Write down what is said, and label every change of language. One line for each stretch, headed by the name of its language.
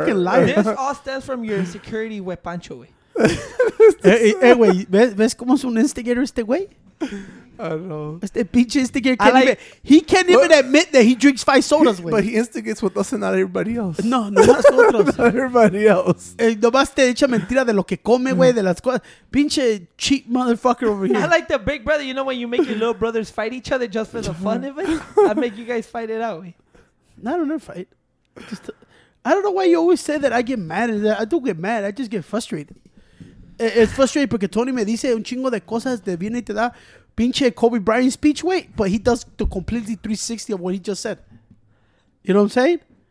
English: su fucking liar. This all stems from your insecurity, with Pancho, güey.
Spanish: Hey, güey. ¿Ves cómo es un instigator este güey?
English: I don't know. Mr. Peach instigator can't like, even. He can't even admit that he drinks five sodas. But he instigates with us and not everybody else.
Spanish: No, no nosotros.
English: Not everybody else.
Spanish: Nomás te echa mentira de lo que come, güey, de las cosas.
English: Pinche cheap motherfucker over here. I like the big brother. You know when you make your little brothers fight each other just for the fun of it? I make you guys fight it out, güey. No, I don't ever fight. I don't know why you always say that I get mad. At that. I don't get mad. I just get frustrated. It's frustrating because Tony
Spanish: me dice un chingo de cosas de viene y te da pinche
English: Kobe Bryant speech, wait, but he does the completely 360 of what he just said. You know what I'm saying?